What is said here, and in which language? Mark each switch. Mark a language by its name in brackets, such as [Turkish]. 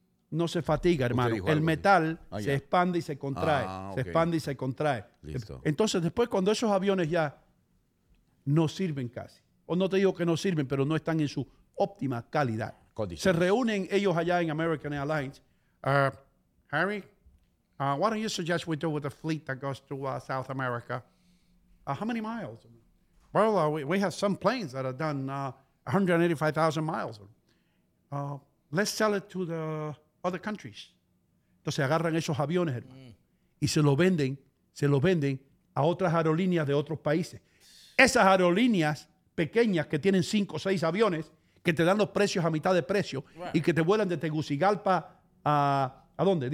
[Spanish] No se fatiga, hermano. El metal se expande y se contrae. Listo. Entonces, después, cuando esos aviones ya no sirven casi, o no te digo que no sirven, pero no están en su óptima calidad, se reúnen ellos allá en American Airlines. [English] Harry, what do you suggest we do with a fleet that goes to South America? How many miles? Well, we have some planes that have done 185,000 miles. Let's sell it to the other countries. [Spanish] Entonces agarran esos aviones, hermano, y se los venden a otras aerolíneas de otros países. Esas aerolíneas pequeñas que tienen 5 o 6 aviones, que te dan los precios a mitad de precio, y que te vuelan de Tegucigalpa ¿A dónde?